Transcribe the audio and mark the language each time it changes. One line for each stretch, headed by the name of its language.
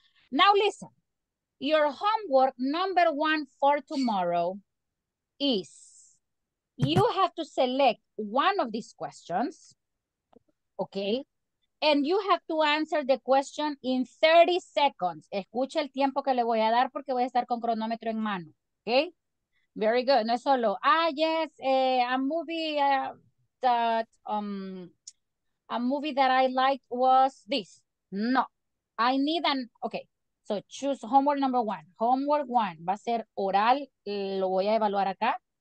English: Now listen, your homework number one for tomorrow is you have to select one of these questions. Okay, and you have to answer the question in 30 seconds.
Spanish: Escucha el tiempo que le voy a dar porque voy a estar con cronómetro en mano.
English: Okay, very good.
Spanish: No es solo,
English: ah, yes, a movie that I liked was this. No, I need an, okay, so choose homework number one. Homework one
Spanish: va a ser oral, lo voy a evaluar acá.